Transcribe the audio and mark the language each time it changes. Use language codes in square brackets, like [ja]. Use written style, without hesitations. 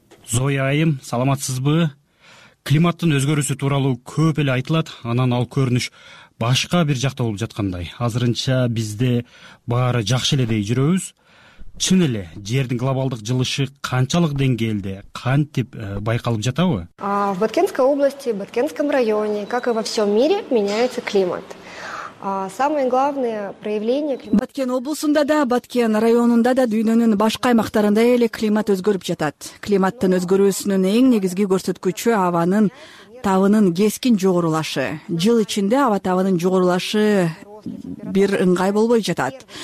[ky] Зоя айым, саламатсызбы? Климаттын өзгөрүүсү тууралуу көп эле айтылат, анан ал көрүнүш башка бир жакта болуп жаткандай. Азырынча бизде баары жакшы эле дей жүрөбүз. Чын эле жердин глобалдык жылышы канчалык деңгээлде, кантип байкалып жатабы? [ru] В Баткенской области, в Баткенском районе, как и во всем мире, меняется климат. Самое главное проявление климата. [ky] Баткен облусунда да, Баткен районунда да дүйнөнүн башка аймактарында эле климат өзгөрүп жатат. Климаттын өзгөрүүсүнүн эң негизги көрсөткүчү абанын табынын кескин жогорулашы. Жыл ичинде аба табынын жогорулашы бир ыңгай болбой жатат.